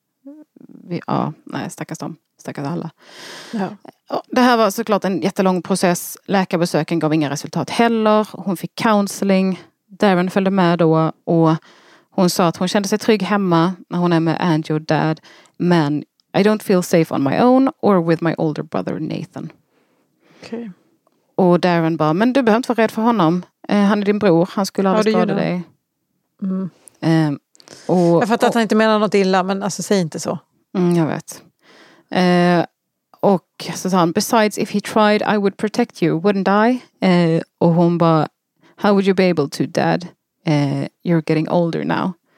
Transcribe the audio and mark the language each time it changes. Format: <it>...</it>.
<sv>Mm. Vi, ja, nej, stackars dem. Stackars alla. Ja. Det här var såklart en jättelång process. Läkarbesöken gav inga resultat heller. Hon fick counseling. Darren följde med då och hon sa att hon kände sig trygg hemma när hon är med Angie och Dad.</sv> <en>Men I don't feel safe on my own or with my older brother Nathan.</en> <sv>Okej. Okay. Och Darren bara, men du behöver inte vara rädd för honom. Han är din bror, han skulle aldrig skada dig. Mm. Och, jag fattar att han inte menar något illa, men alltså, säg inte så. Jag vet. Och så sa han,</sv> <en>besides if he tried, I would protect you, wouldn't I?</en> <sv>Och hon bara,</sv> <en>how would you be able to, Dad? You're getting older now.</en>